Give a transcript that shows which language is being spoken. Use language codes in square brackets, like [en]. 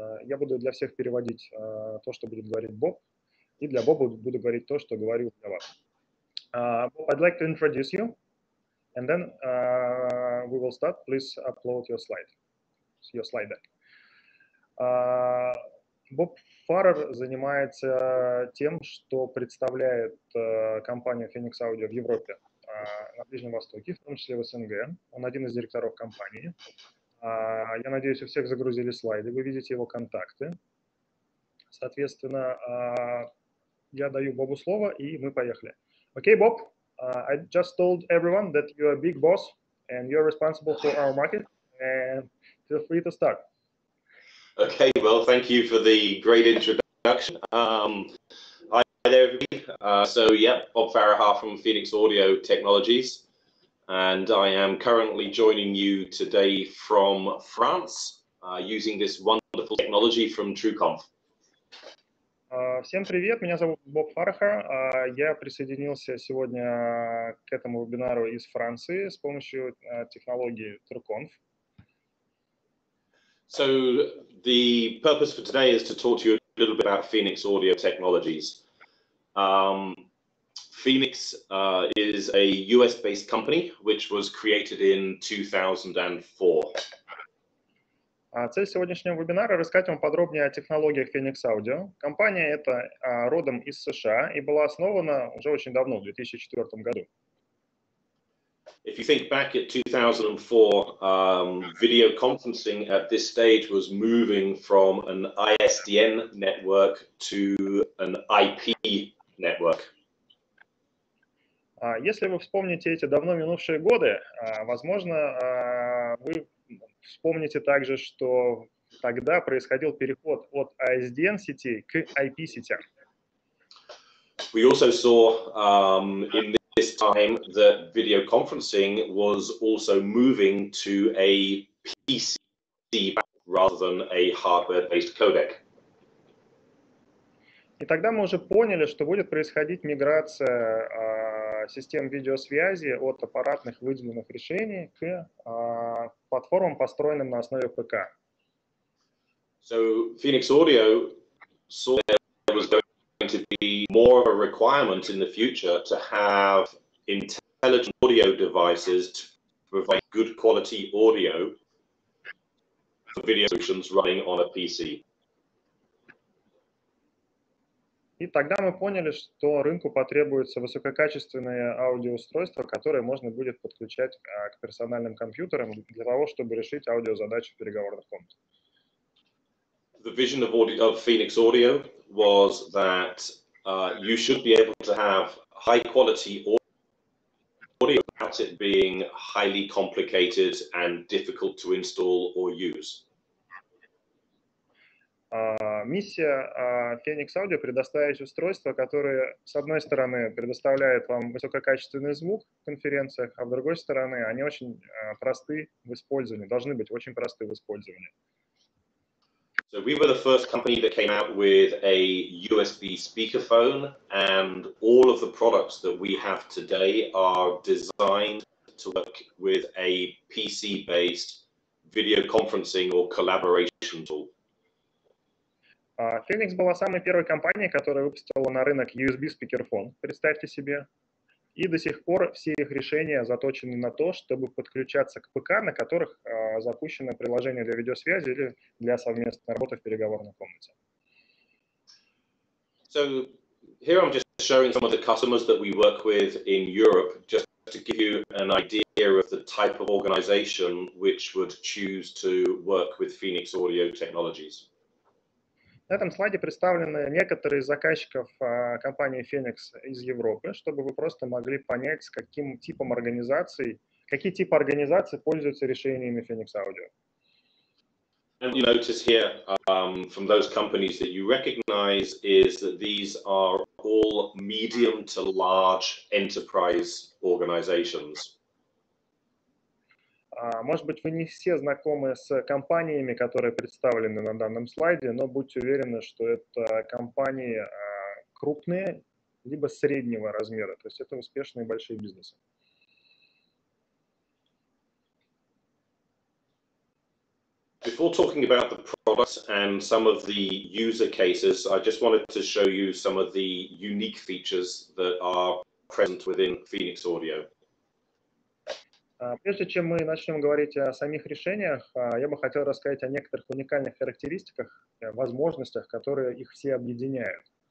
[ru] Я буду для всех переводить то, что будет говорить Боб, и для Боба буду говорить то, что говорю для вас. [en] Bob, I'd like to introduce you, and then we will start. Please upload your slide. Your slide deck. [ru] Боб Фаррер занимается тем, что представляет компанию Phoenix Audio в Европе, на Ближнем Востоке, в том числе в СНГ. Он один из директоров компании. Я надеюсь, у всех загрузили слайды, вы видите его контакты. Соответственно, я даю Бобу слово, и мы поехали. [en] Окей, Боб, I just told everyone that you're a big boss and you're responsible for our market. And feel free to start. Okay, well, thank you for the great introduction. Hi there, everybody. Bob Faraha from Phoenix Audio Technologies. And I am currently joining you today from France, using this wonderful technology from TrueConf. [ru] Всем привет, меня зовут Боб Фараха. Я присоединился сегодня к этому вебинару из Франции с помощью технологии TrueConf. [en] So the purpose for today is to talk to you a little bit about Phoenix Audio Technologies. Phoenix is a US-based company, which was created in 2004. [ru] Цель сегодняшнего вебинара – рассказать вам подробнее о технологиях Phoenix Audio. Компания эта родом из США и была основана уже очень давно, в 2004 году. [en] If you think back at 2004, video conferencing at this stage was moving from an ISDN network to an IP network. [ru] Если вы вспомните эти давно минувшие годы, возможно, вы вспомните также, что тогда происходил переход от ISDN сети к IP сетям. [en] We also saw in the this time that video conferencing was also moving to a PC rather than a hardware-based codec. [ru] И тогда мы уже поняли, что будет происходить миграция систем видеосвязи от аппаратных выделенных решений к платформам, построенным на основе ПК. [en] So Phoenix Audio saw there was going to be more of a requirement in the future to have intelligent audio devices to provide good quality audio for video solutions running on a PC. [ru] И тогда мы поняли, что рынку потребуются высококачественные аудиоустройства, которые можно будет подключать к персональным компьютерам для того, чтобы решить аудиозадачи в переговорных комнатах. [en] The vision of Phoenix Audio was that you should be able to have high quality audio without it being highly complicated and difficult to install or use. [ru] Миссия Phoenix Audio – предоставить устройство, которое, с одной стороны, предоставляет вам высококачественный звук в конференциях, а с другой стороны, они очень просты в использовании, должны быть очень просты в использовании. [en] So we were the first company that came out with a USB speakerphone, and all of the products that we have today are designed to work with a PC-based video conferencing or collaboration tool. [ru] Phoenix была самой первой компанией, которая выпустила на рынок USB-спикерфон. Представьте себе. И до сих пор все их решения заточены на то, чтобы подключаться к ПК, на которых запущено приложение для видеосвязи или для совместной работы в переговорной комнате. [en] So here I'm just showing some of the customers that we work with in Europe, just to give you an idea of the type of organization which would choose to work with Phoenix Audio Technologies. [ru] На этом слайде представлены некоторые из заказчиков компании Phoenix из Европы, чтобы вы просто могли понять, с каким типом организаций, какие типы организаций пользуются решениями Phoenix Audio. [en] And you notice here from those companies that you recognize is that these are all medium to large enterprise organizations. [ru] Может быть, вы не все знакомы с компаниями, которые представлены на данном слайде, но будьте уверены, что это компании крупные либо среднего размера, то есть это успешные большие бизнесы. [en] Before talking about the products and some of the user cases, I just wanted to show you some of the unique features that are present within Phoenix Audio. [ru] Прежде чем мы начнем говорить о самих решениях, я бы хотел рассказать о некоторых уникальных характеристиках, возможностях, которые их все объединяют.